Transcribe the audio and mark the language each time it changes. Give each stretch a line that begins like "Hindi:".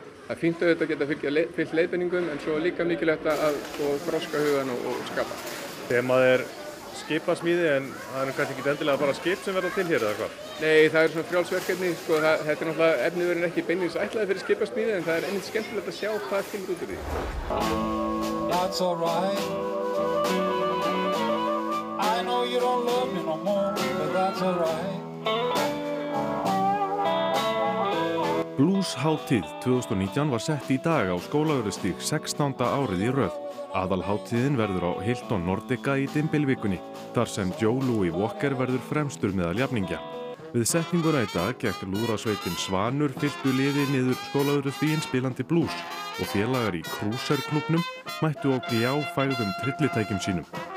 Icelandic: Það er fínt auðvitað að geta fylgt leiðbeiningum en svo líka mikilvægt að þroska hugann og skapa. Þegar maður er skipasmiði en það er kannski ekki endilega bara skip sem verða til hér eða hvað? Nei, það er svona frjálsverkefni, sko, þetta er náttúrulega efniverin ekki beinlínis ætlaði fyrir skipasmiði en það er einnig skemmtilegt að sjá hvað kemur út úr því.
English: That's all right. I know you don't love me no more, but that's all right.
Icelandic: Blues-hátíð 2019 var sett í dag á Skólavörðustíg 16. árið í röð. Aðalhátíðin verður á Hilton Nordica í Dymbilvikunni, þar sem Joe Louis Walker verður fremstur meðal jafningja. Við setninguna í dag gekk lúðrasveitin Svanur fylltu liði niður Skólavörðustígin spilandi blues og félagar í Cruiser-klubnum mættu og gljáfægðum trillitækjum sínum.